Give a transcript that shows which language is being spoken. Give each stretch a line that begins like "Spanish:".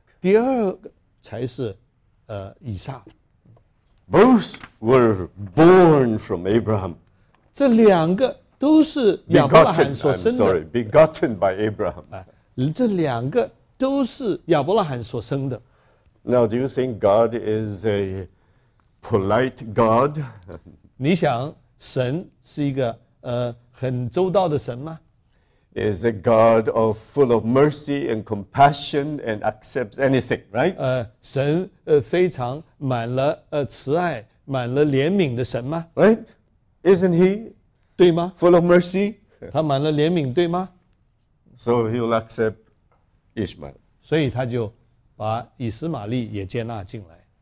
Chinese: 第二个才是，以撒。
English: Both were born from Abraham.
Chinese: 这两个都是亚伯拉罕所生的。
English: Begotten, I'm sorry, begotten by Abraham.
Chinese: 这两个都是亚伯拉罕所生的。
English: Now, do you think God is a polite God?
Chinese: 你想？神是一个很周到的神吗
English: ？Is a God of full of mercy and compassion and accepts anything, right？
Chinese: 神非常满了慈爱、满了怜悯的神吗
English: ？Right? Isn't he？
Chinese: 对吗
English: ？Full of mercy，
Chinese: 他满了怜悯，对吗
English: ？So he'll accept Ishmael。
Chinese: 所以他就把以实玛利也接纳进来。